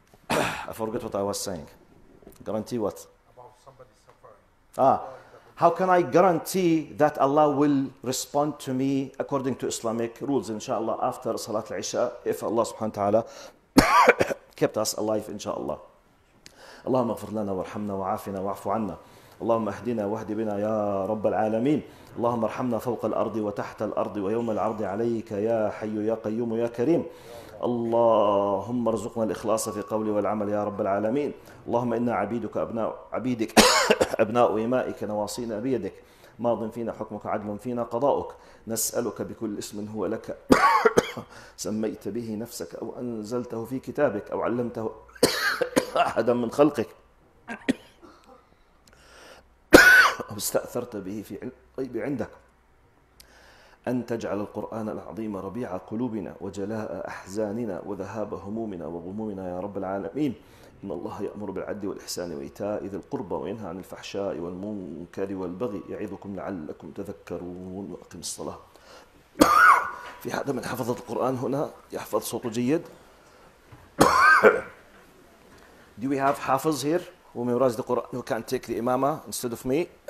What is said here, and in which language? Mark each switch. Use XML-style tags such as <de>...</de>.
<en>I forgot what I was saying. Guarantee what? About somebody suffering. Ah. How can I guarantee that Allah will respond to me according to Islamic rules, inshallah, after Salat al-Isha, if Allah subhanahu wa ta'ala kept us alive, inshallah?</en> <ar>اللهم اغفر لنا وارحمنا وعافنا واعف عنا، اللهم اهدنا واهد بنا يا رب العالمين، اللهم ارحمنا فوق الأرض وتحت الأرض ويوم العرض عليك يا حي يا قيوم يا كريم. اللهم ارزقنا الإخلاص في قول والعمل يا رب العالمين. اللهم إنا عبيدك أبناء عبيدك أبناء إمائك، نواصينا بيدك، ماض فينا حكمك، عدل فينا قضاؤك. نسألك بكل اسم هو لك سميت به نفسك أو أنزلته في كتابك أو علمته أحدا من خلقك أو استأثرت به في الغيب عندك، أن تجعل القرآن العظيم ربيع قلوبنا وجلاء أحزاننا وذهاب همومنا وغمومنا يا رب العالمين. إن الله يأمر بالعدل والإحسان وإيتاء ذي القربى وينهى عن الفحشاء والمنكر والبغي يعظكم لعلكم تذكرون. وأقم الصلاة. في هذا من حفظ القرآن هنا يحفظ صوته جيد.</ar> <en>Do we have حافظ here who memorized the Quran who can't take the imama instead of me?</en>